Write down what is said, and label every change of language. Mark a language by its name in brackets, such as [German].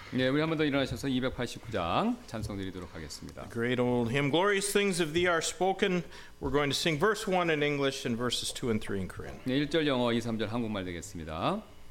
[Korean] 네, 우리 한 번 더 일어나셔서 289장 찬송드리도록 하겠습니다. [English] The great old hymn, Glorious Things of Thee Are Spoken. We're going to sing verse 1 in English and verses 2 and 3 in Korean. [Korean] 네, 1절 영어, 2, 3절 한국말 되겠습니다.